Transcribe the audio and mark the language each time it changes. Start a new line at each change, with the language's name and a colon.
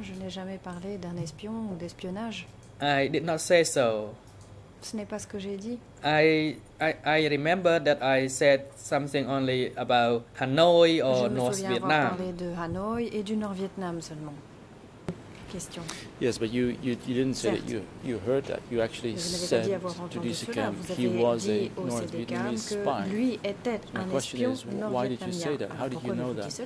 French: Je n'ai jamais parlé d'un espion ou d'espionnage.
English: I did not say so.
French: Ce n'est pas ce que j'ai dit.
English: I remember that I said something only about Hanoi or North Vietnam.
French: Je me souviens avoir parlé de Hanoi et du Nord Vietnam seulement. Question.
English: Yes, but you didn't say that you heard that you actually said to Dusikam he was a North Vietnamese spy.
French: Lui était
English: so my question is, why did you say that? How did you know that?